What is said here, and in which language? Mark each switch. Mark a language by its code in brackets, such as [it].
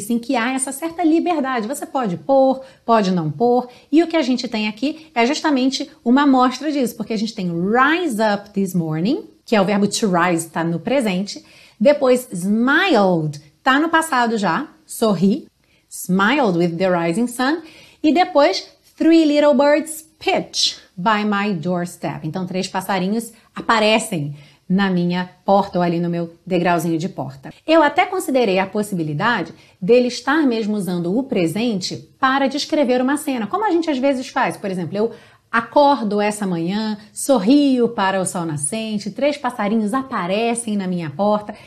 [pt] Sim, que há essa certa liberdade. Você pode pôr, pode não pôr. E o que a gente tem aqui é justamente uma amostra disso. Porque a gente tem [en] rise up this morning, [pt] que é o verbo to rise, está no presente. Depois, smiled, está no passado já, sorri. [en] Smiled with the rising sun. [pt] E depois, [en] three little birds pitch by my doorstep. [pt] Então, três passarinhos aparecem na minha porta ou ali no meu degrauzinho de porta. Eu até considerei a possibilidade dele estar mesmo usando o presente para descrever uma cena, como a gente às vezes faz. Por exemplo, eu acordo essa manhã, sorrio para o sol nascente, três passarinhos aparecem na minha porta.